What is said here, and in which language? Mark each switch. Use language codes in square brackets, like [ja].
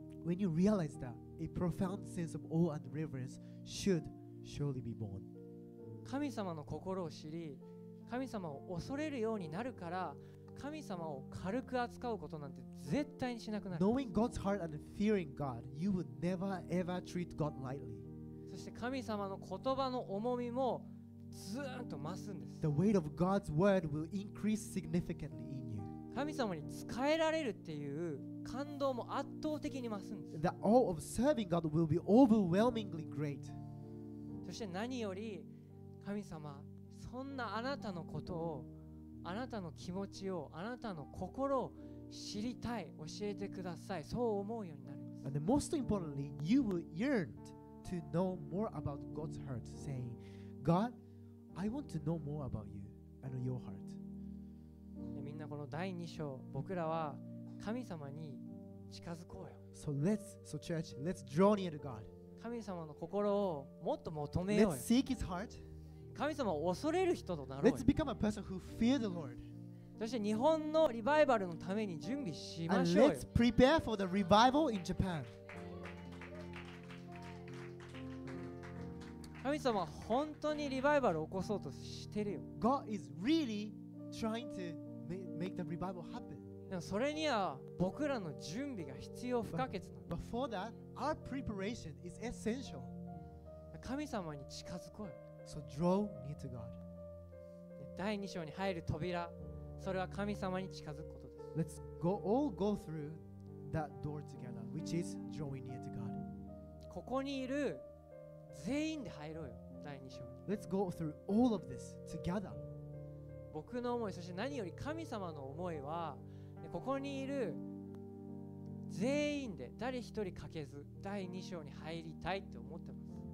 [en] When you realize that, a profound sense of awe and reverence should surely be born. [ja] 神様の心を知り、神様を恐れるようになるから、神様を軽く扱うことなんて絶対にしなくなる。 [en] Knowing God's heart and fearing God, you would never ever treat God lightly. [ja] そして神様の言葉の重みもずーんと増すんです。 [en] The weight of God's word will increase significantly in you. [ja] 神様に仕えられるっていう感動も圧倒的に増すんです。 [en] The awe of serving God will be overwhelmingly great. [ja] そして何より神様、そんなあなたのことを、あなたの気持ちを、あなたの心を知りたい、教えてください。そう思うようになります。 [en] And most importantly, you will yearn to know more about God's heart, saying, God, I want to know more about you and your heart. [ja] で、みんなこの第2章、僕らは神様に近づこうよ。 [en] So church, let's draw near to God. [ja] 神様の心をもっと求めようよ。 [en] Let's seek His heart. [ja] 神様を恐れる人となろう。 [en] Let's become a person who fears the Lord. [ja] そして日本のリバイバルのために準備しましょうよ。 [en] And let's prepare for the revival in Japan. [ja] 神様は本当にリバイバルを起こそうとしてるよ。 [en] God is really trying to make the revival happen. [ja] でもそれには僕らの準備が必要不可欠なの。 [en] But for that, our preparation is essential. [ja] 神様に近づこうよ。 [en] So draw near to God. [ja] 第2章に入る扉、それは神様に近づくことです。 [en] Let's go, all go through that door together, which is drawing near to God. [ja] ここにいる全員で入ろうよ、第2章に。 [en] Let's go through all of this together. [ja] 僕の思い、そして何より神様の思いは、ここにいる全員で、誰一人欠けず、第2章に入りたいって思ってます。